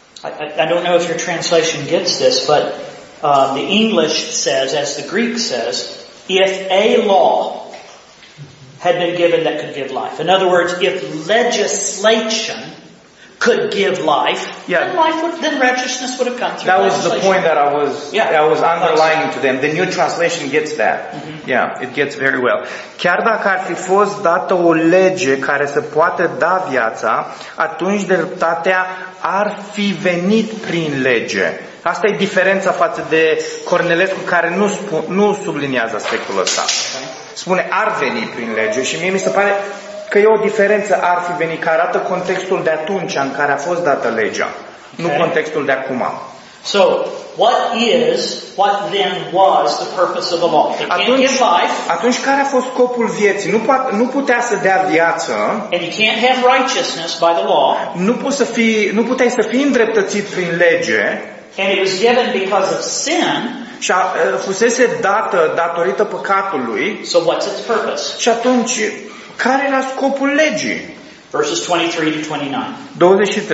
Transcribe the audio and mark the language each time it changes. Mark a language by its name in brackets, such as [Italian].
[English] I don't know if your translation gets this, but the English says, as the Greek says, if a law had been given that could give life. In other words, if legislation could give life, then life would, then righteousness would have come through. That was the point that I was I was underlining to them. The New Translation gets that. Mm-hmm. Yeah, it gets very well. [Romanian] Chiar dacă ar fi fost dată o lege care să poată da viața, atunci dreptatea ar fi venit prin lege. Asta e diferența față de Cornelescu, care nu subliniază aspectul ăsta. Spune ar veni prin lege și mie mi se pare că e o diferență, ar fi venit, care arată contextul de atunci în care a fost dată legea, nu contextul de acum. [English] So, what then was the purpose of the law? [Romanian] Atunci care a fost scopul vieții? Nu putea să dea viață. [English] And you can't have righteousness by the law. [Romanian] Nu puteai să fii îndreptățit prin lege. [English] And it was given because of sin. [Romanian] Și fusese dată datorită păcatului. [English] So what's its purpose? [Romanian] Și atunci care era scopul legii? [English] Verses 23 to 29.